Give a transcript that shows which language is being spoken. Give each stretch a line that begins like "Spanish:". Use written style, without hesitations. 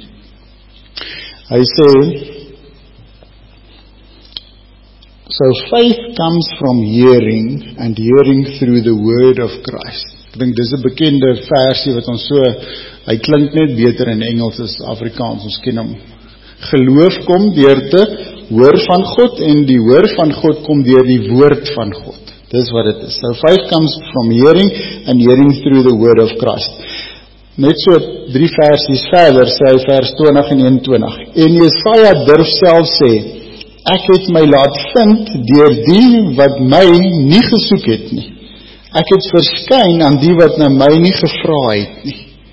Afrikaans: Hy sê,
English: so faith comes from hearing, and hearing through the word of Christ.
Afrikaans: Ek dink dis 'n bekende versie wat ons so, hy klink net beter in Engels as Afrikaans, ons ken hom. Geloof kom deur te hoor van God, en die hoor van God kom deur die woord van God. Dis wat dit is.
English: So faith comes from hearing, and hearing through the word of Christ.
Afrikaans: Net so drie versies verder, sê vers 20 en 21. En Jesaja durf self sê, ek het my laat vind deur die wat my nie gesoek het nie. Ek het verskyn aan die wat na my nie gevra het nie.